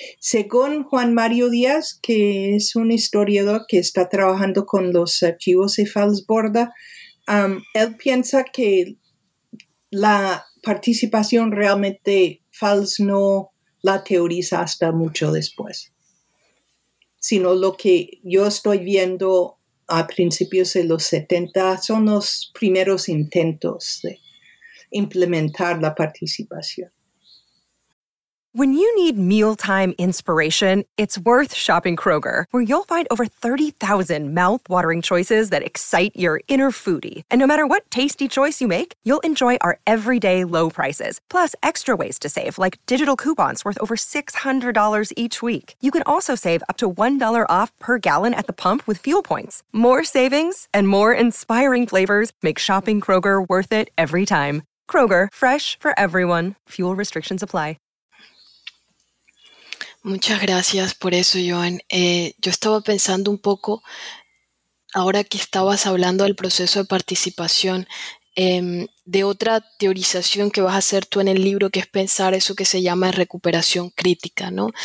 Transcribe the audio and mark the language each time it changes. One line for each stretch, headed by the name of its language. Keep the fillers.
Spanish: Según Juan Mario Díaz, que es un historiador que está trabajando con los archivos de Falsborda, Borda um, él piensa que la participación realmente Fals no la teoriza hasta mucho después, sino lo que yo estoy viendo a principios de los 70 son los primeros intentos de... implementar la participación.
English: When you need mealtime inspiration, it's worth shopping Kroger, where you'll find over 30,000 mouthwatering choices that excite your inner foodie. And no matter what tasty choice you make, you'll enjoy our everyday low prices, plus extra ways to save, like digital coupons worth over $600 each week. You can also save up to $1 off per gallon at the pump with fuel points. More savings and more inspiring flavors make shopping Kroger worth it every time. Kroger, fresh for everyone. Fuel restrictions apply.
Spanish: Muchas gracias por eso, Joan. Eh, yo estaba pensando un poco, ahora que estabas hablando del proceso de participación, eh, de otra teorización que vas a hacer tú en el libro, que es pensar eso que se llama recuperación crítica, ¿no?